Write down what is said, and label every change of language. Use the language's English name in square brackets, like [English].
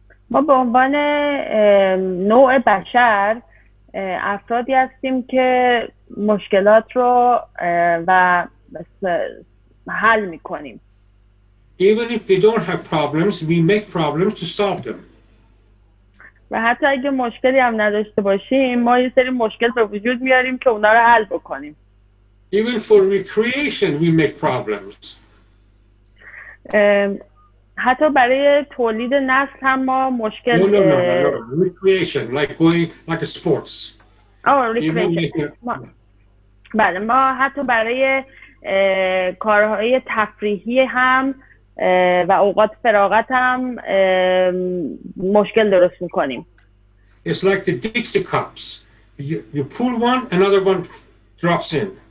[Persian] ما به عنوان نوع بشر افرادی هستیم که مشکلات رو و حل می‌کنیم. [English] Even if we don't have problems, we make problems to solve them. [Persian] و حتی اگه مشکلی هم نداشته باشیم، ما یه سری مشکل به وجود میاریم که اونا رو حل بکنیم. [English] Even for recreation, we make problems. [Persian] حتی برای تولید نسل هم ما مشکل. [English] No. Recreation, like sports. Oh, recreation. [Persian] بله، ما حتی برای کارهای تفریحی هم و اوقات فراغت هم مشکل درست میکنیم. [English] It's like the Dixie cups. You pull one, another one drops in.